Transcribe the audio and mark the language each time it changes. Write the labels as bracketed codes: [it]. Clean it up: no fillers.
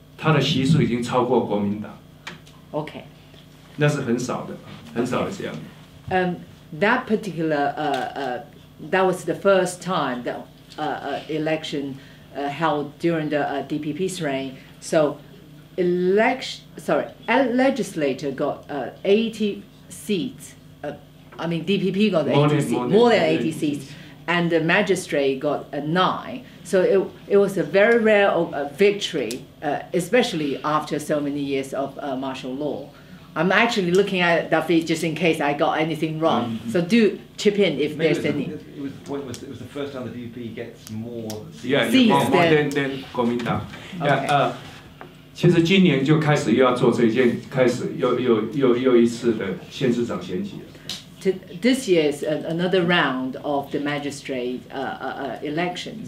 [zh] 我记得那一年民进党立法委员选了80几席，县市议员选了9席，那是他的席数已经超过国民党。 [en] Okay. [zh] 那是很少的，很少的这样的。 [en] That particular that was the first time that election held during the DPP's reign. So legislature got 80 seats. I mean DPP got 80 seats, more than 80 seats, and the magistrate got 9. So it was a very rare victory, especially after so many years of martial law. I'm actually looking at Duffy just in case I got anything wrong. Mm-hmm. So do chip in if Maybe there's it was any. It was the first time the DPP gets more seats than Kuomintang. Yeah, [zh] 其实今年就开始又要做这件，开始又一次的县市长选举了。 [en] This year is another round of the magistrate elections.